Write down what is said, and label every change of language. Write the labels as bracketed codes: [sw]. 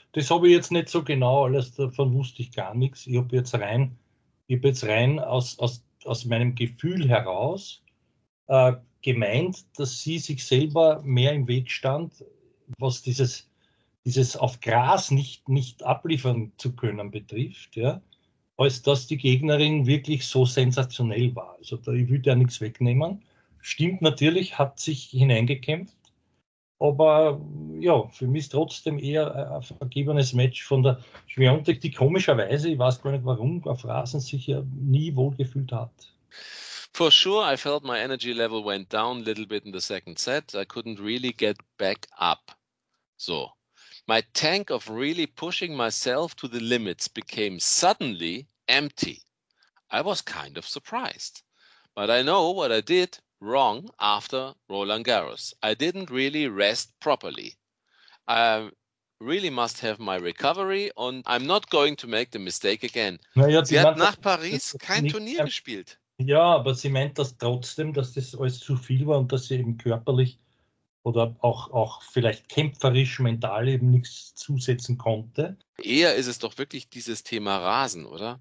[de] Das habe ich jetzt nicht so genau alles, davon wusste ich gar nichts. Ich habe jetzt rein aus meinem Gefühl heraus gemeint, dass sie sich selber mehr im Weg stand, was dieses auf Gras nicht abliefern zu können betrifft, ja, als dass die Gegnerin wirklich so sensationell war. Also da, ich würde ja nichts wegnehmen. Stimmt natürlich, hat sich hineingekämpft, aber ja, für mich ist trotzdem eher ein vergebenes Match von der Świątek, die komischerweise, ich weiß gar nicht warum, auf Rasen sich ja nie wohlgefühlt hat. [en] For sure, I felt my energy level went down a little bit in the second set. I couldn't really get back up. So, my tank of really pushing myself to the limits became suddenly empty. I was kind of surprised. But I know what I did wrong after Roland Garros. I didn't really rest properly. I really must have my recovery and I'm not going to make the mistake again. [de] Naja, sie hat nach Paris kein Turnier gespielt. Ja, aber sie meint das trotzdem, dass das alles zu viel war und dass sie eben körperlich oder auch vielleicht kämpferisch, mental eben nichts zusetzen konnte. Eher ist es doch wirklich dieses Thema Rasen, oder?